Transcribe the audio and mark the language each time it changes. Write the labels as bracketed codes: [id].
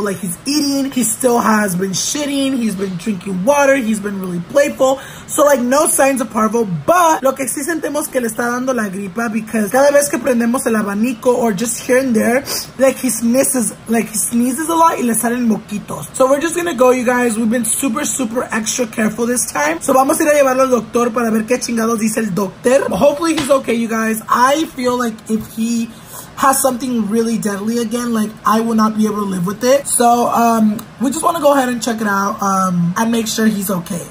[en] Like, he's eating, he still has been shitting, he's been drinking water, he's been really playful. So, like, no signs of parvo, but [es] lo que sí sentimos que le está dando la gripa, [en] because [es] cada vez que prendemos el abanico [en] or just here and there, like, he sneezes a lot [es] y le salen moquitos. [en] So we're just gonna go, you guys. We've been super, super extra careful this time. [es] So vamos a ir a llevarlo al doctor para ver qué chingados dice el doctor. [en] Hopefully he's okay, you guys. I feel like if he has something really deadly again, like, I will not be able to live with it. So we just want to go ahead and check it out and make sure he's okay.